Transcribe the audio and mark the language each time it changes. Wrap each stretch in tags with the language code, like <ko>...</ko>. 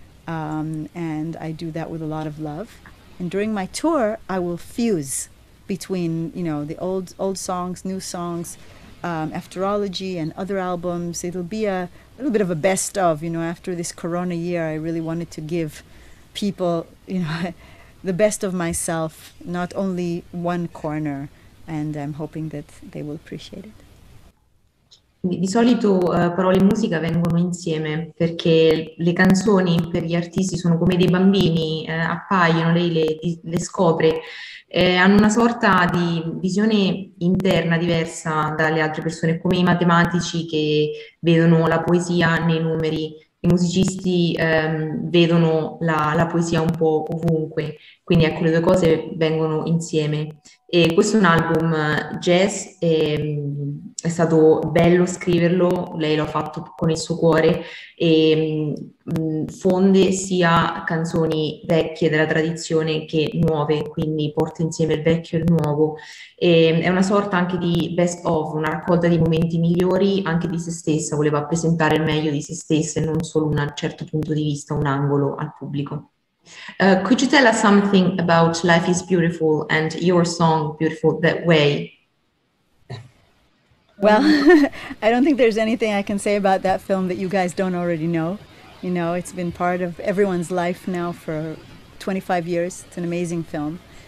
<en>And I do that with a lot of love. And during my tour, I will fuse between, you know, the old songs, new songs, Afterology and other albums. It'll be a little bit of a best of, you know. After this corona year, I really wanted to give people, you know, the best of myself, not only one corner, and I'm hoping that they will appreciate it.</en> <it>Di solito parole e musica vengono insieme perché le canzoni per gli artisti sono come dei bambini, appaiono, lei le scopre, hanno una sorta di visione interna diversa dalle altre persone, come i matematici che vedono la poesia nei numeri, i musicisti vedono la poesia un po' ovunque, quindi ecco, le due cose vengono insieme. E questo è un album jazz, è stato bello scriverlo, lei l'ha fatto con il suo cuore, e fonde sia canzoni vecchie della tradizione che nuove, quindi porta insieme il vecchio e il nuovo. E è una sorta anche di best of, una raccolta di momenti migliori anche di se stessa, voleva presentare il meglio di se stessa e non solo un certo punto di vista, un angolo al pubblico.</it> <en>Could you tell us something about Life is Beautiful and your song Beautiful That Way? Well, I don't think there's anything I can say about that film that you guys don't already know. You know, it's been part of everyone's life now for 25 years. It's an amazing film.</en>